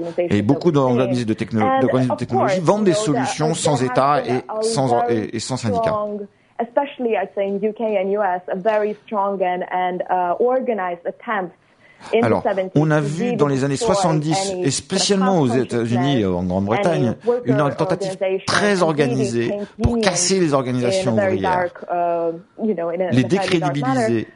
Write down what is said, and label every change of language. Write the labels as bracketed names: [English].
[French] Et beaucoup d'organismes de technologie vendent des solutions sans État et sans syndicat. [English] Especially, I'd say in UK and US, a very strong and organized attempt. [French] Alors, on a vu dans les années 70, et spécialement aux États-Unis et en Grande-Bretagne, une tentative très organisée pour casser les organisations ouvrières, les décrédibiliser.